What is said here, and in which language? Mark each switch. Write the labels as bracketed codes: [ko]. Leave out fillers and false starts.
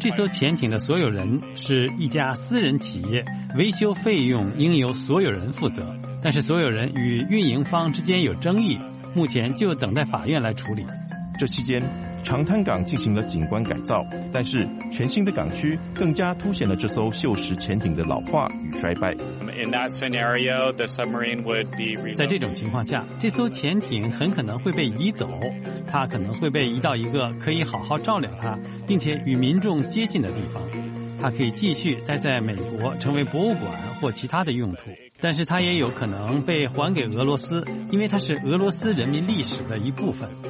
[zh] 这艘潜艇的所有人是一家私人企业，维修费用应由所有人负责，但是所有人与运营方之间有争议，目前就等待法院来处理。这期间长滩港进行了景观改造，但是全新的港区更加凸显了这艘锈蚀潜艇的老化与衰败。 [en] In that scenario, the submarine would be relocated. [zh] 在这种情况下，这艘潜艇很可能会被移走，它可能会被移到一个可以好好照料它，并且与民众接近的地方。它可以继续待在美国，成为博物馆或其他的用途，但是它也有可能被还给俄罗斯，因为它是俄罗斯人民历史的一部分。